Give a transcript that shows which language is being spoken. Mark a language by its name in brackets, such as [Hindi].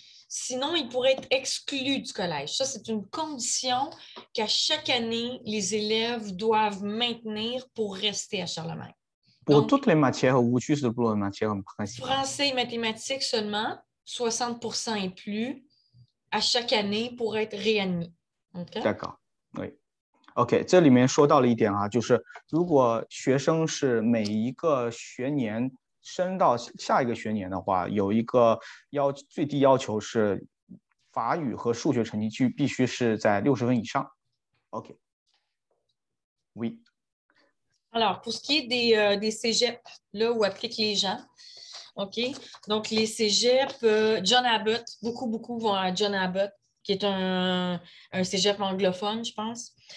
[French] Sinon, ils pourraient être exclus du collège. Ça, c'est une condition qu'à chaque année, les élèves doivent maintenir pour rester à Charlemagne. Pour donc, toutes les matières ou juste pour les matières principales? Français et mathématiques seulement, 60% et plus à chaque année pour être réadmis. Okay? D'accord, oui. [Chinese] OK, 这里面说到了一点啊，就是如果学生是每一个学年升到下一个学年的话，有一个要最低要求是法语和数学成绩必须是在60分以上。 [French] OK. Oui. Alors, pour ce qui est des cégeps, là où appliquent les gens, OK, donc les cégeps, John Abbott, beaucoup vont à John Abbott, qui est un cégep anglophone, je pense.